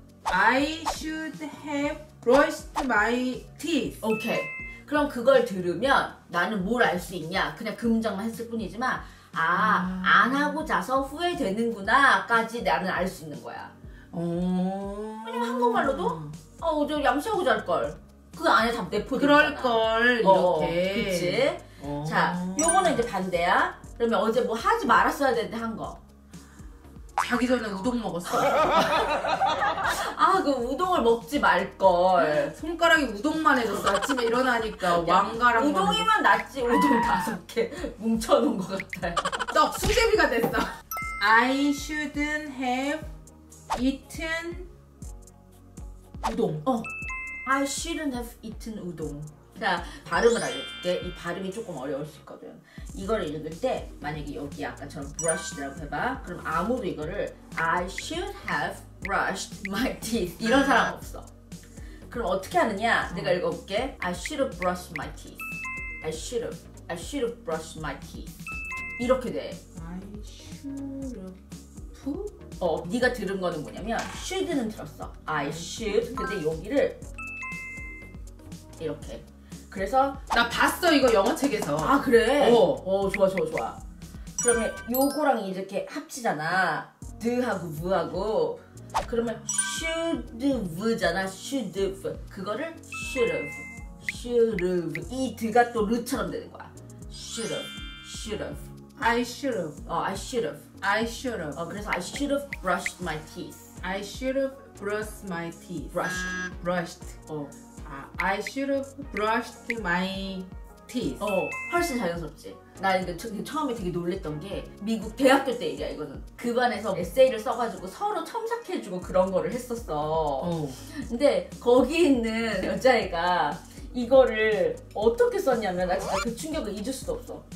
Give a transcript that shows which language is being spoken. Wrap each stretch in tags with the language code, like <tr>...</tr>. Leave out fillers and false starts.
<en>I should have brushed my teeth.</en> <ko>오케이. 그럼 그걸 들으면 나는 뭘 알 수 있냐? 그냥 긍정만 했을 뿐이지만 아, 안 하고 자서 후회되는구나까지 나는 알 수 있는 거야. 왜냐면 한국말로도 어제 양치하고 잘 걸. 그 안에 다 내포돼 있잖아. 그럴 걸 이렇게. 그치? 자, 요거는 이제 반대야. 그러면 어제 뭐 하지 말았어야 되는데 한 거. 자기 전에 우동 먹었어. 아, 그 우동을 먹지 말걸. 손가락이 우동만 해줬어. 아침에 일어나니까 왕가랑 우동이면 낫지. 우동 다섯 개 뭉쳐놓은 것 같아. 떡 수제비가 됐어.</ko> <en>I shouldn't have eaten 우동. I shouldn't have eaten 우동.</en> <ko>자, 발음을 알려줄게. 이 발음이 조금 어려울 수 있거든. 이걸 읽을 때 만약에 여기 아까처럼 brushed라고 해봐. 그럼 아무도 이거를</ko> <en>I should have brushed my teeth</en> <ko>이런 사람 없어. 그럼 어떻게 하느냐? 내가 읽어볼게.</ko> <en>I should have brushed my teeth. I should have brushed my teeth.</en> <ko>이렇게 돼.</ko> <en>I should have.</en> <ko>네가 들은 거는 뭐냐면 should는 들었어.</ko> <en>I should.</en> <ko>근데 여기를 이렇게. 그래서 나 봤어 이거 영어책에서. 아 그래? 어 좋아. 그러면 요거랑 이렇게 합치잖아. 드하고 브하고. 그러면 should 브잖아.</ko> <en>should 브.</en> <ko>그거를</ko> <en>should have.</en> <ko>이 드가 또 르처럼 되는 거야.</ko> <en>should have. I should have. I should have.</en> <ko>그래서</ko> <en>I should have brushed my teeth. I should have brushed my teeth. Brushed. I should have brushed my teeth.</en> <ko>훨씬 자연스럽지. 나 이제 처음에 되게 놀랬던 게 미국 대학교 때 얘기야 이거는. 그 반에서 에세이를 써가지고 서로 첨삭해주고 그런 거를 했었어. 근데 거기 있는 여자애가 이거를 어떻게 썼냐면 나 진짜 그 충격을 잊을 수도 없어.</ko>